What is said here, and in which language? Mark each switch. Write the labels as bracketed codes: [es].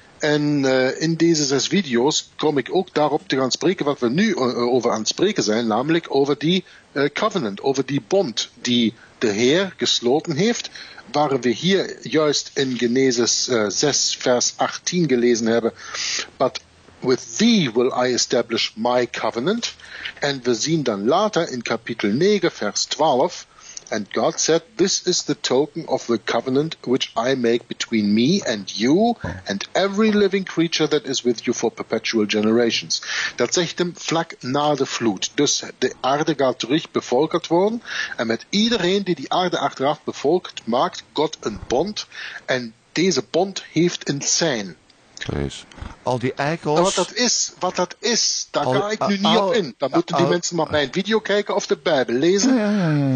[nl] En in deze 6 video's kom ik ook daarop te gaan spreken wat we nu over aan het spreken zijn, namelijk over die covenant, over die bond die de Heer gesloten heeft, waar we hier juist in Genesis 6 vers 18 gelezen hebben, [en] but with thee will I establish my covenant. [nl] En we zien dan later in kapitel 9 vers 12, [en] and God said, this is the token of the covenant which I make between me and you and every living creature that is with you for perpetual generations. [nl] Dat zegt hem vlak na de vloed. Dus de aarde gaat terug bevolkerd worden. En met iedereen die die aarde achteraf bevolkt, maakt God een bond. En deze bond heeft een sein. Precies. Al die eikels. Wat dat is, daar ga ik nu niet op in. Dan moeten die mensen maar mijn video kijken of de Bijbel lezen.